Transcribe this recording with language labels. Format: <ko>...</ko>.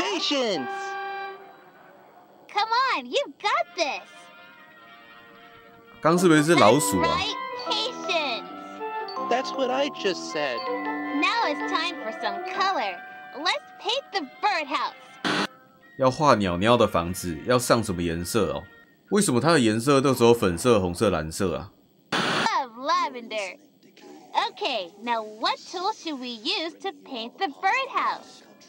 <en>Patience. Come on, you've got this.</en> <zh>刚是不是是老鼠啊</zh> <en>？Right, patience. That's what I just said. Now it's time for some color. Let's paint the birdhouse.</en> <zh>要画鸟鸟的房子要上什么颜色哦？为什么它的颜色都只有粉色、红色、蓝色啊</zh> <en>？Love lavender. Okay, now what tool should we use to paint the birdhouse?</en>